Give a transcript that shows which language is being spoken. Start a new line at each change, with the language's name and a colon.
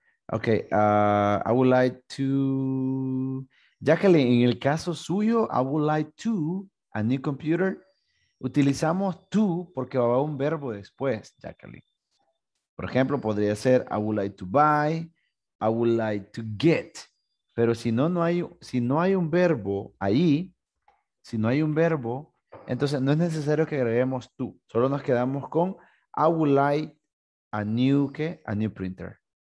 English: Ok, I would like to,
Spanish: Jacqueline, en el caso suyo,
English: I would like to, a new computer,
Spanish: utilizamos to porque va a un verbo después, Jacqueline. Por ejemplo, podría ser,
English: I would like to buy, I would like to get.
Spanish: Pero si no hay un verbo, entonces no es necesario que agreguemos to. Solo nos quedamos con,
English: I would like a new printer.